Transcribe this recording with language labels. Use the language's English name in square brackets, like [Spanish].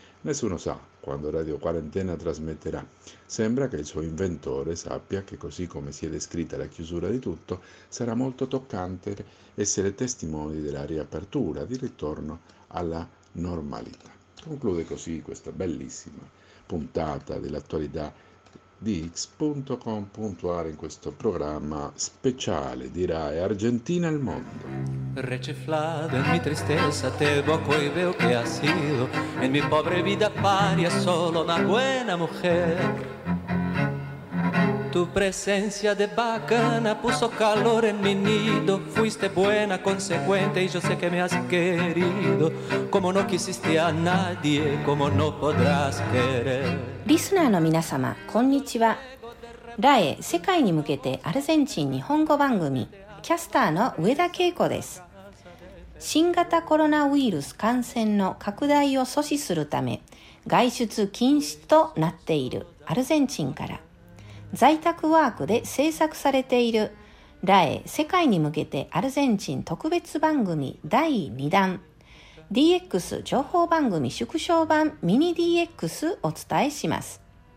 [Italian] Nessuno sa quando Radio Quarantena trasmetterà. Sembra che il suo inventore sappia che, così come si è descritta la chiusura di tutto, sarà molto toccante essere testimoni della riapertura, di ritorno alla normalità. Conclude così questa bellissima puntata dell'attualità di X.com.ar in questo programma speciale di RAE Argentina al mondo. [Spanish] Reciflado en mi tristeza te evoco y veo que ha sido en mi pobre vida paria solo una buena mujer. Tu presencia de bacana puso calor en mi nido. Fuiste buena, consecuente y yo sé que me has querido. Como no quisiste a nadie, como no podrás querer. [Japanese] Listener の皆様、こんにちは。 RAE 世界に向けてアルゼンチン日本語番組、キャスターの上田恵子です。新型コロナウイルス感染の拡大を阻止するため、外出禁止となっているアルゼンチンから、在宅ワークで制作されている RAE 世界に向けてアルゼンチン特別番組第2弾 DX 情報番組縮小版ミニ DX お伝えします。